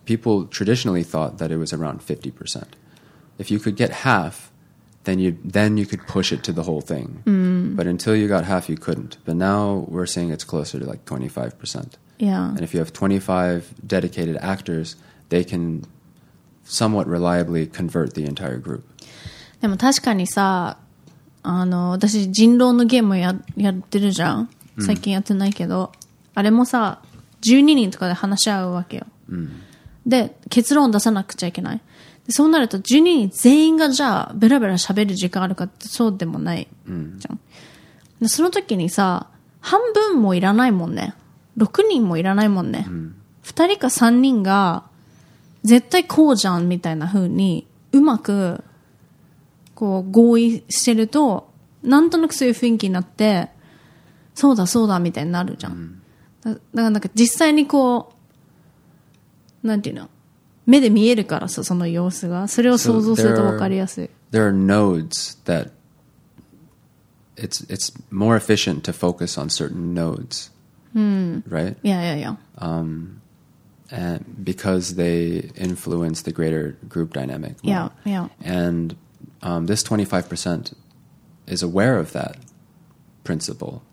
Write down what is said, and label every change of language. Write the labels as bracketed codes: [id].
[en] People traditionally thought that it was around 50%. If you could get half, then you could push it to the whole thing. But until you got half, you couldn't. But now we're saying it's closer to like 25%. Yeah. And if you have 25 dedicated actors, they can somewhat reliably convert the entire group. [ja] でも確かにさ、私人狼のゲームやってるじゃん。最近やってないけど、あれもさ、12人とかで話し合うわけよ。で、結論を出さなくちゃいけない。で、そうなると12人全員がじゃあ、ベラベラ喋る時間あるかってそうでもないじゃん。で、その時にさ、半分もいらないもんね。6人もいらないもんね。 2人か3人が、絶対こうじゃんみたいな風に、うまく、こう、合意してると、なんとなくそういう雰囲気になって、そうだそうだみたいになるじゃん。だからなんか実際にこう、なんていうの、目で見えるからさ、その様子が。それを想像すると分かりやすい。 [en] There are nodes that it's more efficient to focus on certain nodes. Right? Yeah, yeah, yeah. And because they influence the greater group dynamic. Yeah, yeah. And this 25% is aware of that principle.